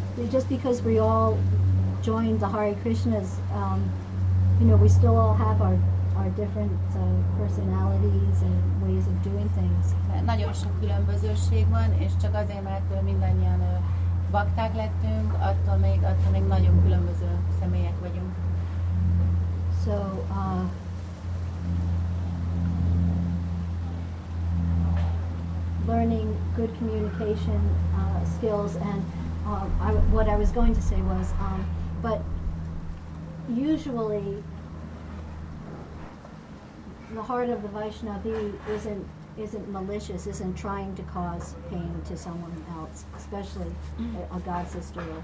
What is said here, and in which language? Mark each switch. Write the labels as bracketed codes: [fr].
[en] Just because we all join the Hare Krishnas, you know, we still all have our different personalities and ways of doing things. [hu] Nagyon sok különbözőség van, és csak azért, mert mindannyian bakták lettünk, attól még nagyon különböző személyek vagyunk. [en] So, learning good communication skills, and what I was going to say was, but usually the heart of the Vaishnavi isn't malicious, isn't trying to cause pain to someone else, especially a god sister.